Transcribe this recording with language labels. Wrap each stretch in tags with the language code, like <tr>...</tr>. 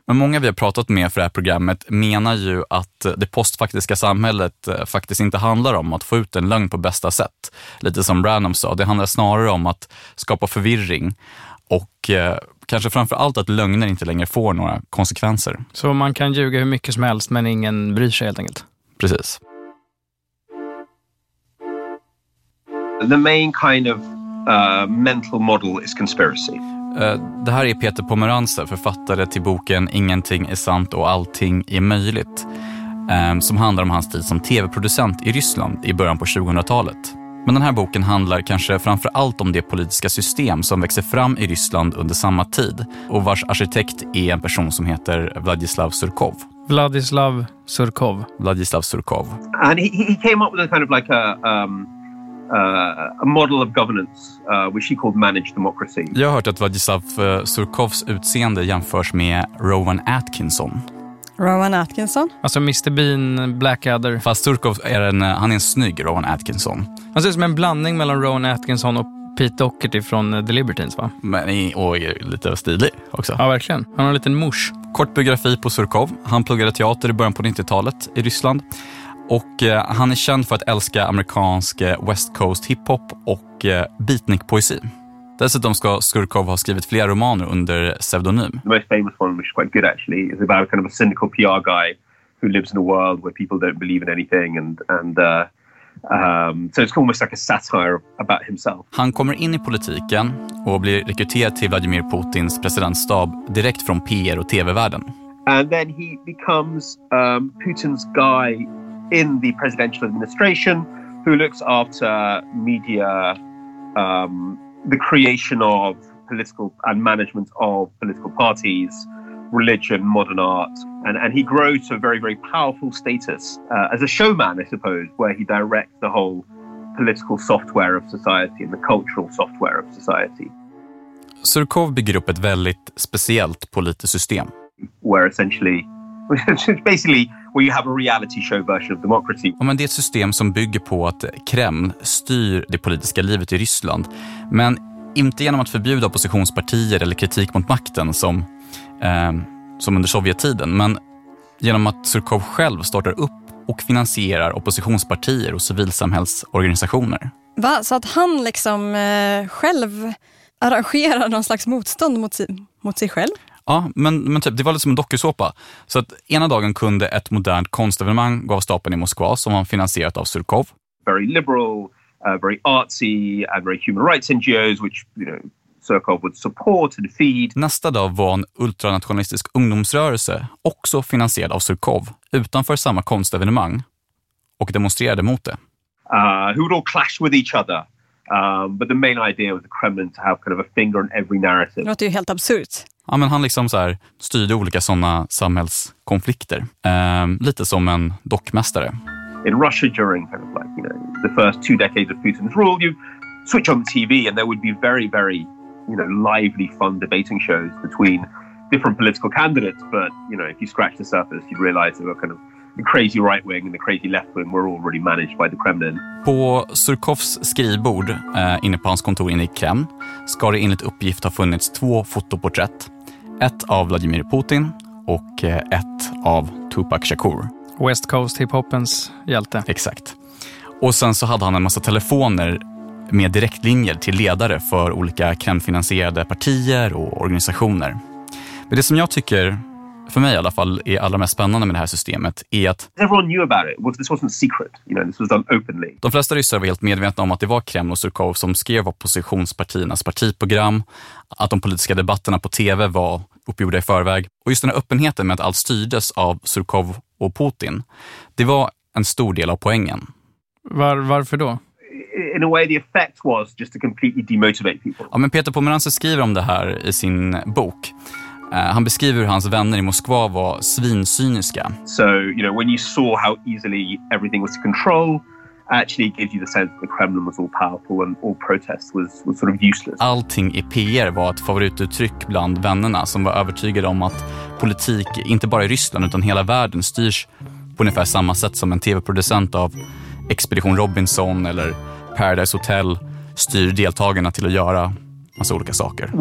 <sv>Men många vi har pratat med för det här programmet menar ju att det postfaktiska samhället faktiskt inte handlar om att få ut en lögn på bästa sätt. Lite som Branham sa, det handlar snarare om att skapa förvirring och kanske framförallt att lögner inte längre får några konsekvenser. Så man kan ljuga hur mycket som helst men ingen bryr sig helt enkelt. Precis.</sv> <en>The main kind of mental model is conspiracy.</en> <sv>Det här är Peter Pomeranze, författare till boken Ingenting är sant och allting är möjligt, som handlar om hans tid som tv-producent i Ryssland i början på 2000-talet. Men den här boken handlar kanske framför allt om det politiska system som växer fram i Ryssland under samma tid och vars arkitekt är en person som heter Vladislav Surkov. Vladislav Surkov. Vladislav Surkov.</sv> <en>And he came up with a kind of like a model of governance which he called managed democracy.</en> <sv>Jag har hört att Vladislav Surkovs utseende jämförs med Rowan Atkinson. Rowan Atkinson? Alltså Mr. Bean, Blackadder. Fast Surkov är en snygg Rowan Atkinson. Han ser ut som en blandning mellan Rowan Atkinson och Pete Doherty från The Libertines, va? Men och är lite stilig också. Ja, verkligen. Han har en liten mush. Kort biografi på Surkov. Han pluggade teater i början på 90-talet i Ryssland. Och han är känd för att älska amerikansk West Coast hiphop och beatnik-poesi. Dessutom ska Surkov ha skrivit flera romaner under pseudonym.</sv> <en>The most famous one, which is quite good actually, is about kind of a cynical PR guy who lives in a world where people don't believe in anything and so it's almost like a satire about himself.</en> <sv>Han kommer in i politiken och blir rekryterad till Vladimir Putins presidentstab direkt från PR och TV-världen.</sv> <en>And then he becomes Putin's guy in the presidential administration who looks after media, the creation of political and management of political parties, religion, modern art, and he grows to a very, very powerful status as a showman, I suppose, where he directs the whole political software of society and the cultural software of society.</en> <sv>Surkov bygger upp ett väldigt speciellt politiskt system.</sv> <en>Where essentially, basically, where you have a reality show version of democracy.</en> <sv>Ja, men det är ett system som bygger på att Kreml styr det politiska livet i Ryssland, men inte genom att förbjuda oppositionspartier eller kritik mot makten som under sovjettiden, men genom att Surkov själv startar upp och finansierar oppositionspartier och civilsamhällsorganisationer. Va? Så att han liksom själv arrangerar någon slags motstånd mot sig själv? Ja, men typ, det var lite som en dokusåpa. Så att ena dagen kunde ett modernt konstevenemang gå av stapeln i Moskva som var finansierat av Surkov.</sv> <en>Very liberal, very artsy and very human rights NGOs which, you know, Surkov would support and feed.</en> <sv>Nästa dag var en ultranationalistisk ungdomsrörelse också finansierad av Surkov utanför samma konstevenemang och demonstrerade mot det.</sv> <en>who would all clash with each other. But the main idea was the Kremlin to have kind of a finger in every narrative.</en> <sv>Det låter ju helt absurt. Ja, men han liksom så här styrde olika sådana samhällskonflikter. Lite som en dockmästare.</sv> <en>In Russia during kind of like, you know, the first two decades of Putin's rule, you switch on the TV and there would be very, very, you know, lively, fun debating shows between different political candidates. But, you know, if you scratch the surface, you'd realize they were kind of the crazy right wing and the crazy left wing were already managed by the Kremlin.</en> <sv>På Surkovs skrivbord inne på hans kontor inne i Kreml ska det enligt uppgift ha funnits två fotoporträtt. Ett av Vladimir Putin och ett av Tupac Shakur. West Coast hiphopens hjälte. Exakt. Och sen så hade han en massa telefoner med direktlinjer till ledare för olika Kremlfinansierade partier och organisationer. Men det som jag tycker, för mig i alla fall, är allra mest spännande med det här systemet är att</sv> <en>everyone knew about it. This wasn't secret. You know, this was done openly.</en> <sv>De flesta ryssar var helt medvetna om att det var Kreml och Surkov som skrev oppositionspartiernas partiprogram, att de politiska debatterna på TV var uppgjorda i förväg. Och just den här öppenheten med att allt styrdes av Surkov och Putin, det var en stor del av poängen. Varför då?</sv> <en>In a way the effect was just to completely demotivate people.</en> <sv>Ja, men Peter Pomerantsev skriver om det här i sin bok. Han beskriver hur hans vänner i Moskva var svinsyniska.</sv> <en>So, you know, when you saw how easily everything was to control, actually gives you the sense that the Kremlin was all powerful and all protest was sort of useless.</en> <sv>Allting i PR var ett favorituttryck bland vännerna som var övertygade om att politik inte bara i Ryssland utan hela världen styrs på ungefär samma sätt som en TV-producent av Expedition Robinson eller Paradise Hotel styr deltagarna till att göra massa olika saker.</sv>